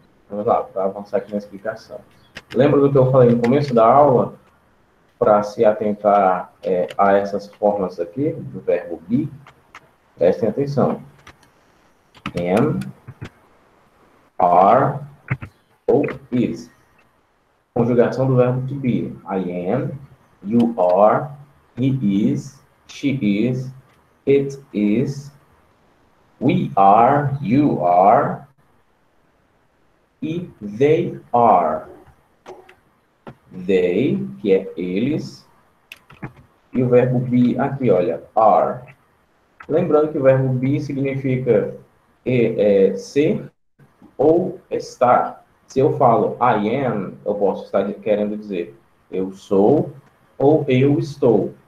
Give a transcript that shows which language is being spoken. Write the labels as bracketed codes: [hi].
[pt] Vamos lá, para avançar aqui na explicação. Lembra do que eu falei no começo da aula? Para se atentar a essas formas aqui, do verbo be, prestem atenção. [en] Am, are, ou is. [pt] Conjugação do verbo to be. [en] I am, you are, he is, she is, it is, we are, you are, e they are. [pt] They, que é eles, e o verbo be aqui, olha, are. Lembrando que o verbo be significa ser ou estar. Se eu falo [en] I am, [pt] eu posso estar querendo dizer eu sou ou eu estou.